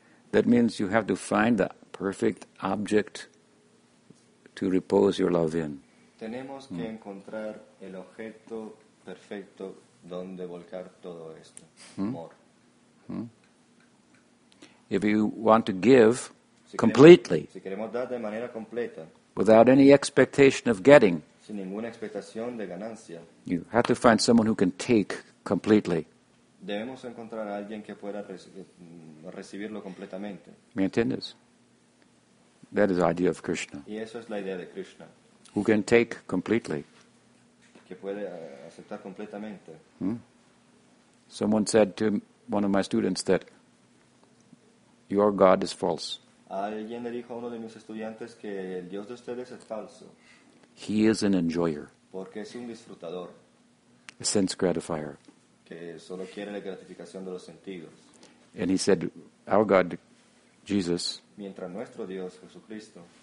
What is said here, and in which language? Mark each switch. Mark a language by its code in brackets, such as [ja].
[en] That means you have to find the perfect object to repose your love in. [es] Tenemos que encontrar el objeto perfecto donde volcar todo esto, amor. [en] If you want to give completely, [es] si queremos dar de manera completa, [en] without any expectation of getting, [es] sin ninguna expectación de ganancia, [en] you have to find someone who can take completely. [es] Debemos encontrar a alguien que pueda recibirlo completamente. ¿Me entiendes? [en] That is the idea of Krishna. [es] Y eso es la idea de Krishna. [en] Who can take completely. [es] Que puede aceptar completamente. [en] Someone said to one of my students that your God is false. [es] Alguien le dijo a uno de mis estudiantes que el Dios de ustedes es falso. [en] He is an enjoyer. [es] Porque es un disfrutador. [en] A sense gratifier. [es] Que solo quiere la gratificación de los sentidos. [en] And he said, our God, Jesus, [es] mientras nuestro Dios, Jesucristo,